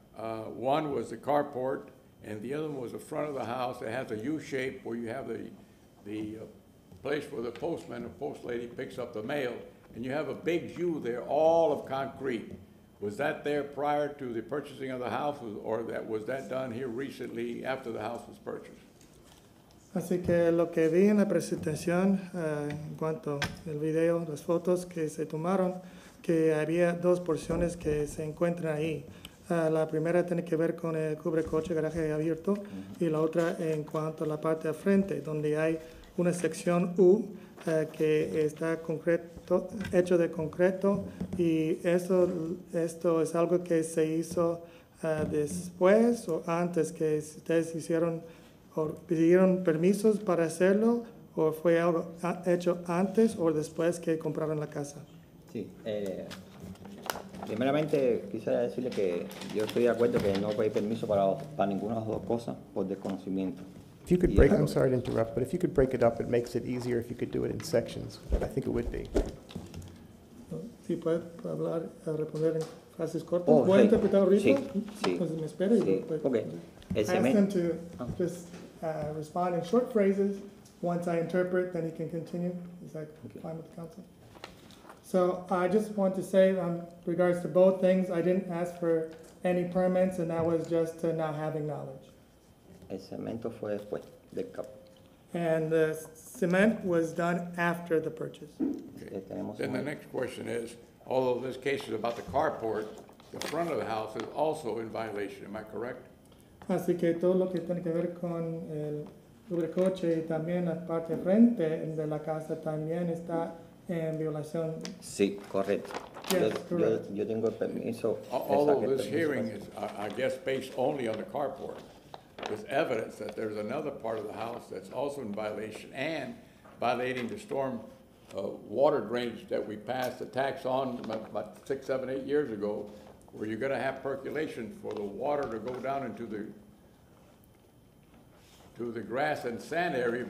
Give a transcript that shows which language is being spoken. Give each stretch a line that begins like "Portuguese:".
English: One was the carport, and the other one was the front of the house that has a U shape where you have the place where the postman or post lady picks up the mail, and you have a big U there, all of concrete. Was that there prior to the purchasing of the house, or that was that done here recently after the house was purchased?
Spanish: Así que lo que vi en la presentación, en cuanto al video, las fotos que se tomaron, que había dos porciones que se encuentran ahí. La primera tiene que ver con el cubre coche, garaje abierto, y la otra en cuanto a la parte de frente, donde hay una sección U, que está concreto, hecho de concreto, y esto es algo que se hizo después o antes que ustedes hicieron o pidieron permisos para hacerlo, o fue algo hecho antes o después que compraron la casa. Sí, primeramente quisiera decirle que yo estoy de acuerdo que no pedí permiso para ninguna de las dos cosas por desconocimiento.
English: If you could break, I'm sorry to interrupt, but if you could break it up, it makes it easier if you could do it in sections. I think it would be.
Spanish: Si puede hablar, responder en frases cortas. ¿Puede interpretar ahorita? Sí, sí. Entonces me espera.
English: Okay. Ask them to just respond in short phrases. Once I interpret, then he can continue. Is that fine with the council? So I just want to say, in regards to both things, I didn't ask for any permits, and that was just to not having knowledge.
Spanish: El cemento fue después del campo.
English: And the cement was done after the purchase. Then the next question is, although this case is about the carport, the front of the house is also in violation, am I correct?
Spanish: Así que todo lo que tiene que ver con el cubrecoche y también la parte frente de la casa también está en violación. Sí, correcto.
English: Yes, correct.
Spanish: Yo tengo el permiso.
English: Although this hearing is, I guess, based only on the carport, there's evidence that there's another part of the house that's also in violation and violating the storm water drainage that we passed the tax on about 6, 7, 8 years ago, where you're going to have percolation for the water to go down into the grass and sand area.